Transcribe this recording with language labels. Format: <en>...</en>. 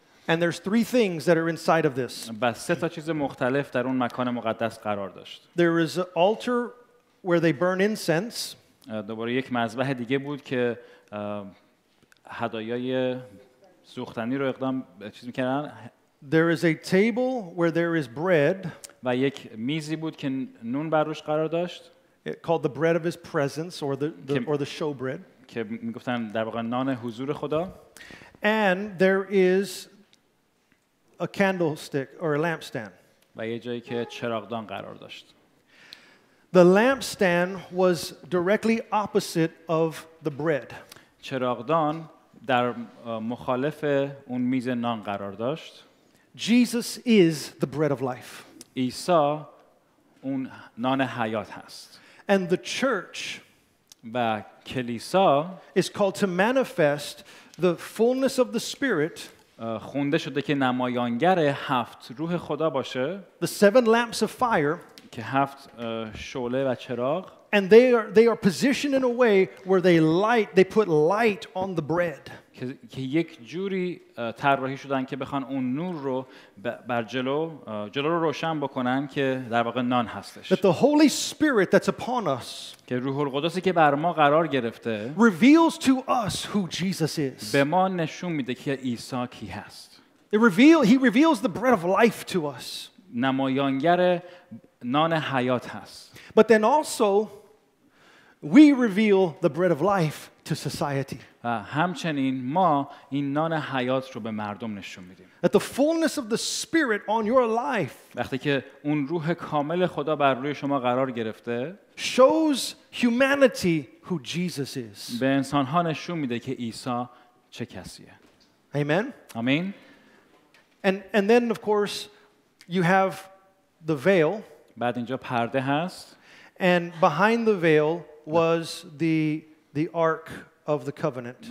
<en>And there's three things that are inside of this.</en> <fa>و سه تا چیز مختلف در اون مکان مقدس قرار داشت.</fa> <en>There is an altar where they burn incense.</en> <fa>دوباره یک مذبح دیگه بود که هدایای سوختنی رو اقدام چیز می‌کردن.</fa> <en>There is a table where there is bread.</en> <fa>و یک میزی بود که نون بر روش قرار داشت.</fa> <en>It called the bread of his presence or the show bread.</en> <fa>که می‌گفتن در واقع نان حضور خدا.</fa> <en>And there is a candlestick or a lampstand.</en> <fa>و یه جایی که چراغدان قرار داشت.</fa> <en>The lampstand was directly opposite of the bread.</en> <fa>چراغدان در مخالف اون میز نان قرار داشت.</fa> <en>Jesus is the bread of life.</en> <fa>عیسی اون نان حیات هست.</fa> <en>And the church</en> <fa>و کلیسا</fa> <en>is called to manifest the fullness of the Spirit.</en> <fa>خونده شده که نمایانگر هفت روح خدا باشه.</fa> <en>The seven lamps of fire</en> <fa>که هفت شعله و چراغ.</fa> <en>And they are positioned in a way where they put light on the bread.</en> <fa>که یک جوری طراحی شدن که بخوان اون نور رو بر جلو رو روشن بکنن که در واقع نان هستش.</fa> <en>That the Holy Spirit that's upon us.</en> <fa>که روح القدسی که بر ما قرار گرفته.</fa> <en>Reveals to us who Jesus is.</en> <fa>به ما نشون میده که عیسی کی هست.</fa> <en>He reveals the bread of life to us.</en> <fa>نمایانگر نان حیات هست.</fa> <en>But then also we reveal the bread of life to society.</en> <fa>همچنین ما این نان حیات رو به مردم نشون میدیم.</fa> <en>That the fullness of the Spirit on your life.</en> <fa>وقتی که اون روح کامل خدا بر روی شما قرار گرفته.</fa> <en>Shows humanity who Jesus is.</en> <fa>به انسان ها نشون میده که عیسی چه کسیه.</fa> <en>Amen. Amen. And then of course you have the veil.</en> <fa>بعد اینجا پرده هست.</fa> <en>And behind the veil was the ark of the covenant.</en>